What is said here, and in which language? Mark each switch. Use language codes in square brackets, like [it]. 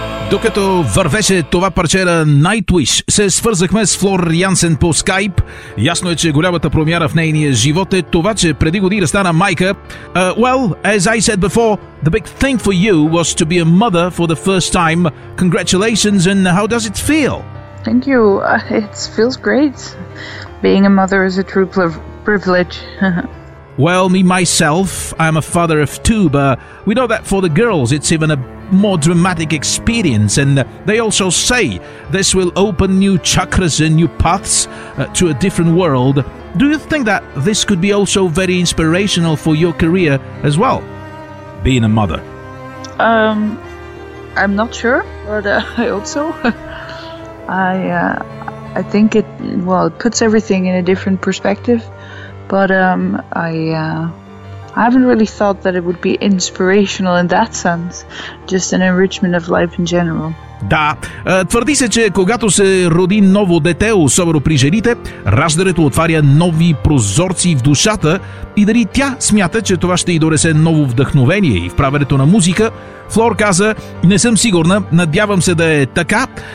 [bg] Докато вървеше това парче на Nightwish, се свързахме с Флор Янсен по скайп. Ясно е, че голямата промяна в нейния живот е това, че преди година стана майка. [en] Well, as I said before, the big thing for you was to be a mother for the first time. Congratulations, and how does it feel? Thank you. It feels great. Being a mother is a true privilege. Well, me myself, I'm a father of two, but we know that for the girls it's even a more dramatic experience, and they also say this will open new chakras and new paths to a different world. Do you think that this could be also very inspirational for your career as well, being a mother? I'm not sure, but I hope so. I think it, well, it puts everything in a different perspective. But I haven't really thought that it would be inspirational in that sense, just an enrichment of life in general. [bg] Да, твърди се, че когато се роди ново дете, особено при жените, раждането отваря нови прозорци в душата, и дали тя смята, че това ще й донесе ново вдъхновение и в правенето на музика. Флор каза: не съм сигурна, надявам се да е така.